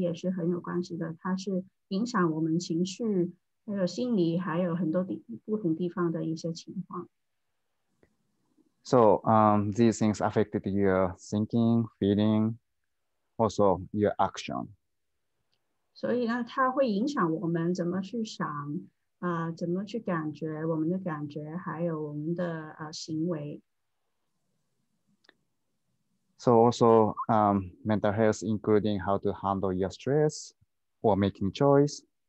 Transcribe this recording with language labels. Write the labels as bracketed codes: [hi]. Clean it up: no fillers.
[zh] 所以精神健康不只是一个我们的就是精神上面的问题，其实跟我们的身体也是很有关系的，它是影响我们情绪。还有心理，还有很多地不同地方的一些情况。So, [en] these things affected your thinking, feeling, also your action. [zh] 所以呢，它会影响我们怎么去想，怎么去感觉我们的感觉，还有我们的行为。So [en] also, mental health including how to handle your stress or making choice.